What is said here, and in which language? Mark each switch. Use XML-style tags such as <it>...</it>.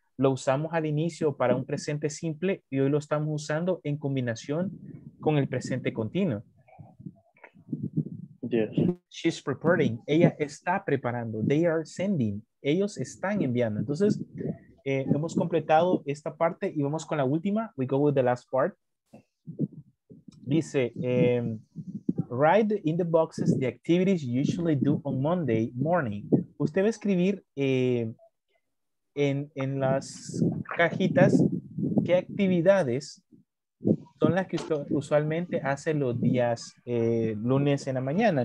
<es>Lo usamos al inicio para un presente simple y hoy lo estamos usando en combinación con el presente continuo.</es> <en>Yes. She's preparing.</en> <es>Ella está preparando.</es> <en>They are sending.</en> <es>Ellos están enviando. Entonces, hemos completado esta parte y vamos con la última.</es> <en>We go with the last part. Dice, write in the boxes the activities you usually do on Monday morning.</en> <es>Usted va a escribir en las cajitas qué actividades son las que usted usualmente hace los días lunes en la mañana.</es>